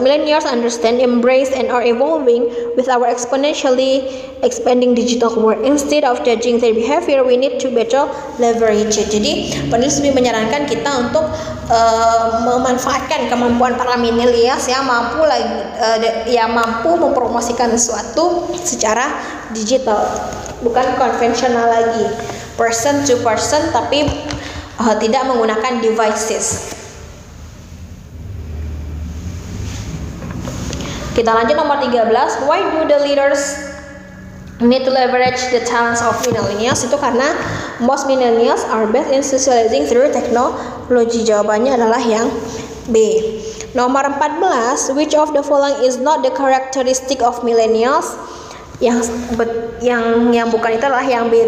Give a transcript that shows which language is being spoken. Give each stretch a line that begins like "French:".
English: Millennials understand, embrace, and are evolving with our exponentially expanding digital world. Instead of judging their behavior, we need to better leverage it.
Indonesian: Jadi, penulis lebih menyarankan kita untuk memanfaatkan kemampuan para millennials yang mampu mempromosikan sesuatu secara digital, bukan konvensional lagi,
English: person to person,
Indonesian: tapi tidak menggunakan devices. Kita lanjut nomor 13.
English: Why do the leaders need to leverage the talents of millennials?
Indonesian: Itu karena
English: most millennials are best in socializing through technology.
Indonesian: Jawabannya adalah yang B. Nomor 14,
English: which of the following is not the characteristic of millennials?
Indonesian: Yang bukan itu adalah yang B.